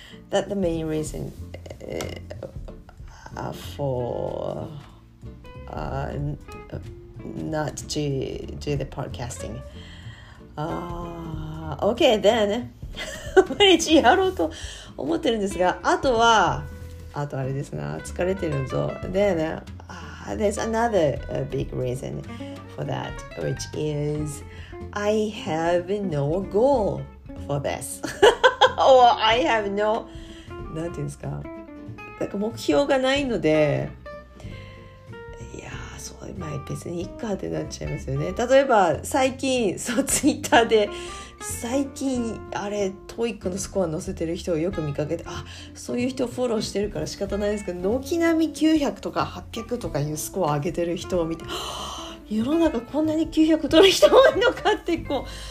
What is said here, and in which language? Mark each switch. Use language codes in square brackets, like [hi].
[en] That's the main reason not to do the podcasting. Okay, then. [ja] 毎日やろうと思ってるんですが、あとあれですな、疲れてるぞ。 [en] Then, there's another big reason for that, which is I have no goal for this. Or I have no... [ja] なんていうんですか、なんか目標がないので、いやー、そう、まあ別にいっかってなっちゃいますよね。例えば、最近、そう、Twitter で、最近あれトイックのスコア載せてる人をよく見かけて、あ、そういう人フォローしてるから仕方ないですけど、軒並み900とか800とかいうスコア上げてる人を見て、世の中こんなに900取る人多いのかってこ